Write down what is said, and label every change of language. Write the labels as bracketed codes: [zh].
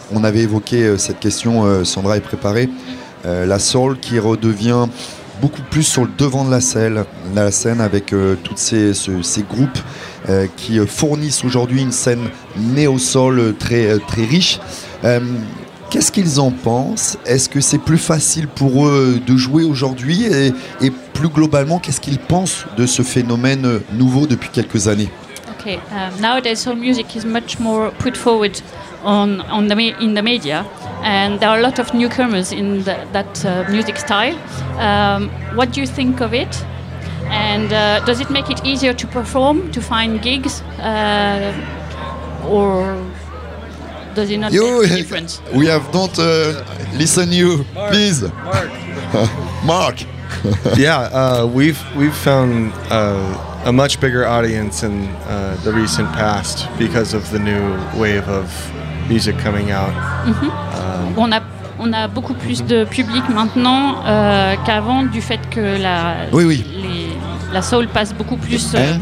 [fr] On avait évoqué cette question, Sandra est préparée. La soul qui redevient beaucoup plus sur le devant de la scène avec toutes ces groupes qui fournissent aujourd'hui une scène néo-soul très très riche. Qu'est-ce qu'ils en pensent? Est-ce que c'est plus facile pour eux de jouer aujourd'hui? Et plus globalement, qu'est-ce qu'ils pensent de ce phénomène nouveau depuis quelques années? [en] Okay, nowadays soul music is much more put forward in the media, and there are a lot of newcomers in that music style. What do you think of it? And does it make it easier to perform, to find gigs, or? Does he not make a difference? We have don't listen you, Mark, please. Mark. Mark. Yeah, we've found a much bigger audience in the recent past because of the new wave of music coming out. Mm-hmm. [fr] On a beaucoup plus mm-hmm. de public maintenant qu'avant du fait que la soul passe beaucoup plus.